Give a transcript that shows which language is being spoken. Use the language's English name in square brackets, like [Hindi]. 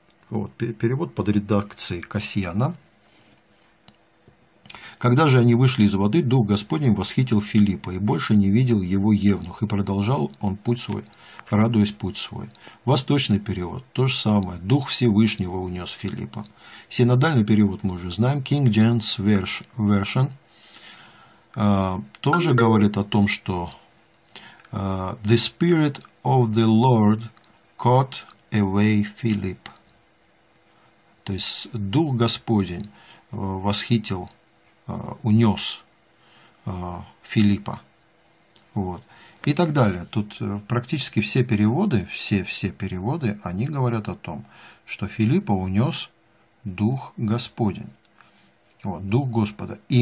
[Russian] Вот, перевод под редакцией Касьяна. «Когда же они вышли из воды, Дух Господень восхитил Филиппа, и больше не видел его евнух, и продолжал он путь свой, радуясь путь свой». Восточный перевод, то же самое, «Дух Всевышнего унес Филиппа». Синодальный перевод мы уже знаем, King James Version, тоже говорит о том, что [English] «The Spirit of the Lord caught away Philip». [Russian] То есть, Дух Господень восхитил, унес Филиппа. Вот. И так далее. Тут практически все переводы, все переводы, они говорят о том, что Филиппа унес Дух Господень. Вот, Дух Господа.